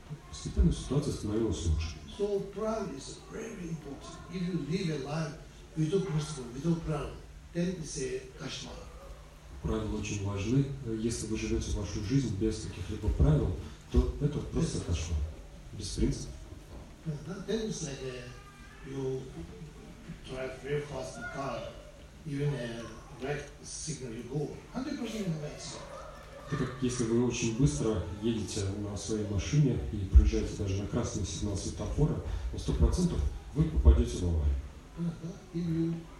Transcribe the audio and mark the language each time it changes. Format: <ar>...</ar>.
<ru>Постепенно ситуация становилась лучше.</ru> <en>So prana is very important. If you live a life without principle, without prana, then it's a kashmar.</en> <ru>Правила очень важны. Если вы живете вашу жизнь без каких-либо правил, то это просто кошмар. Без принципов.</ru> <en>Then it's like you drive very fast in car, even a red signal you go. 100% in the way.</en> <ru>Это как если вы очень быстро едете на своей машине и проезжаете даже на красный сигнал светофора, на 100% вы попадете в аварию.</ru>